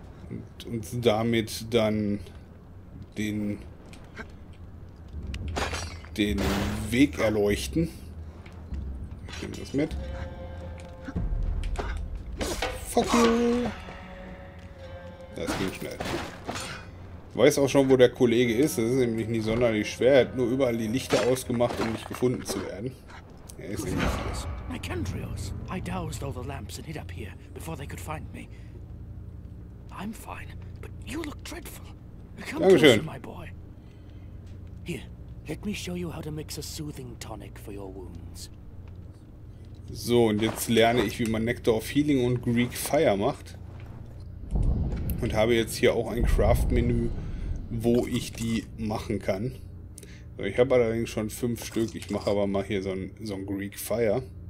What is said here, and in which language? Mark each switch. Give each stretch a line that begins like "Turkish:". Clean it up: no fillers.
German: Und damit dann den Weg erleuchten. Ich nehme das mit.
English: Fuck you!
German: Das ging schnell. Ich weiß auch schon, wo der Kollege ist. Das ist nämlich nicht sonderlich schwer. Er hat nur überall die Lichter ausgemacht, um nicht gefunden zu werden. Er ist in der Fall.
English: My Kendrios. I doused all the lamps and hid up here, before they could find me. I'm fine. But you look dreadful. Come closer, my boy. Here, let me show you how to mix a soothing tonic for your wounds.
German: So, und jetzt lerne ich, wie man Nectar of Healing und Greek Fire macht. Und habe jetzt hier auch ein Craft-Menü, wo ich die machen kann. Ich habe allerdings schon 5 Stück. Ich mache aber mal hier so ein Greek Fire.